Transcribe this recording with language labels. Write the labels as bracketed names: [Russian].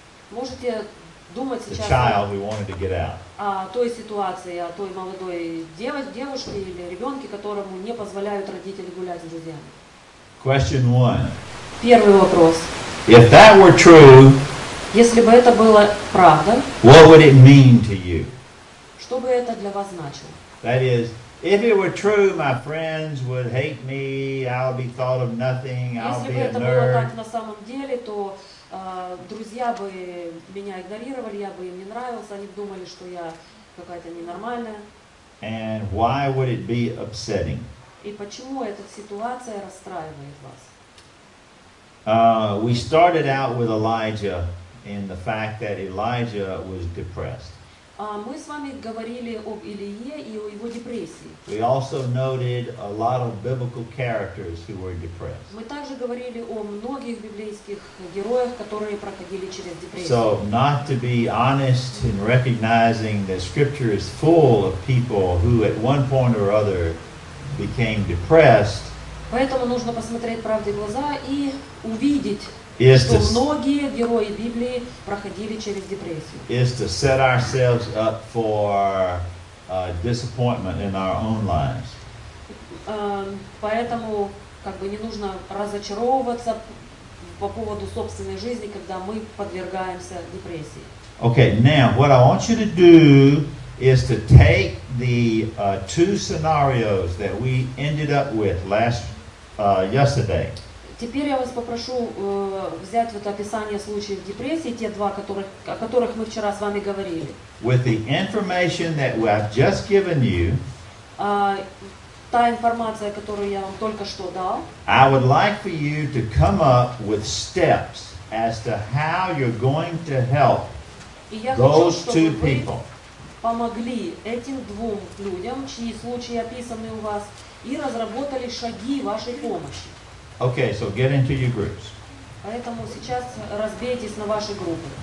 [Russian] Можете думать сейчас. [English] The child we wanted to get out. [Russian] О той ситуации, о той молодой девушке или ребенке, которому не позволяют родители гулять с друзьями. [English] Question one. [Russian] Первый вопрос. [English] If that were true. [Russian] Если бы это было правда, [English] what would it mean to you? [Russian] Что бы это для вас значило? [English] That is, if it were true, my friends would hate me, I'll be thought of nothing, I'll be a nerd. [Russian] Если бы это было так на самом деле, то друзья бы меня игнорировали, я бы им не нравился, они думали, что я какая-то ненормальная. [English] And why would it be upsetting? [Russian] И почему эта ситуация расстраивает вас? [English] We started out with Elijah. In the fact that Elijah was depressed. [Russian] Мы с вами говорили об Илии и о его депрессии. [English] We also noted a lot of biblical characters who were depressed. [Russian] Мы также говорили о многих библейских героях, которые проходили через депрессию. [English] So not to be honest in recognizing that Scripture is full of people who at one point or other became depressed. [Russian] Поэтому нужно посмотреть правде в глаза и увидеть. Is что to, многие герои Библии проходили через депрессию. [English] Is to set ourselves up for disappointment in our own lives. [Russian] Поэтому как бы не нужно разочаровываться по поводу собственной жизни, когда мы подвергаемся депрессии. [English] Okay, now what I want you to do is to take the two scenarios that we ended up with yesterday. [Russian] Теперь я вас попрошу взять вот описание случаев депрессии, те два, о которых мы вчера с вами говорили. [English] With the information that we have just given you, [Russian] та информация, которую я вам только что дал, [English] I would like for you to come up with steps as to how you're going to help those two people. [Russian] Помогли этим двум людям, чьи случаи описаны у вас, и разработали шаги вашей помощи. [English] Okay, so get into your groups. [Russian] Поэтому сейчас разбейтесь на ваши группы.